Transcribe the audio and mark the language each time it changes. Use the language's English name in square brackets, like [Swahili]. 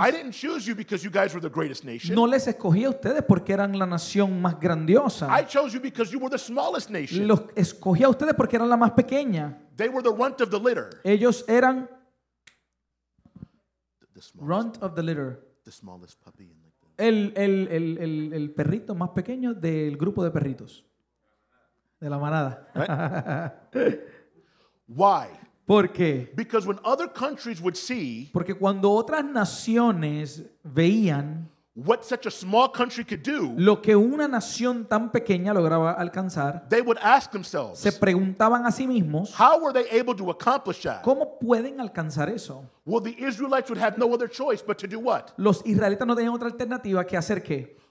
[English] I didn't choose you because you guys were the greatest nation. [Spanish] No les escogí a ustedes porque eran la nación más grandiosa. [English] I chose you because you were the smallest nation. [Spanish] Los escogí a ustedes porque eran la más pequeña. [English] They were the runt of the litter. [Spanish] Ellos eran [English] the smallest runt of the litter. The smallest puppy in the group. [Spanish] El perrito más pequeño del grupo de perritos. De la manada. [English] Right? Why? [Spanish] ¿Por qué? [English] Because when other countries would see, [Spanish] porque cuando otras naciones veían [English] what such a small country could do, [Spanish] lo que una nación tan pequeña lograba alcanzar, [English] they would ask themselves, [Spanish] se preguntaban a sí mismos, [English] how were they able to accomplish that? [Spanish] ¿Cómo pueden alcanzar eso? [English] Well, the Israelites would have no other choice but to do what? [Spanish] Los israelitas no tenían otra alternativa que hacer qué.